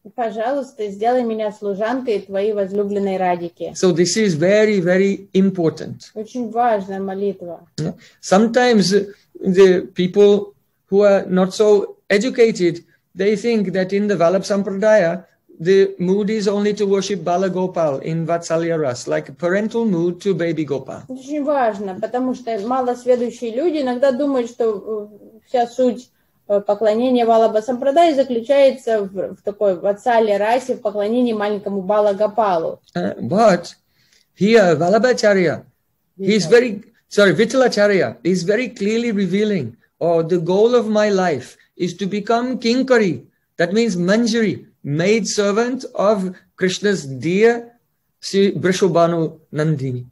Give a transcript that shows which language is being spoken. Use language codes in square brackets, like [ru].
[ru] Пожалуйста, сделай меня служанкой твоей возлюбленной Радики. [en] So this is very, very important. [ru] Очень важная молитва. [en] Sometimes the people who are not so educated, they think that in the Vallabh Sampradaya, the mood is only to worship Bala Gopal in Vatsalya Ras, like a parental mood to baby Gopal. [ru] Очень важно, потому что малосведущие люди иногда думают, что вся суть поклонение Валаба Сампрадай заключается в такой вацале расе, в поклонении маленькому Бала Гопалу. [en] But here Валабачарья, he's very, sorry, Виталачарья, is very clearly revealing, or the goal of my life is to become Kinkari, that means Manjari, maid servant of Krishna's dear Брешубану Нандини.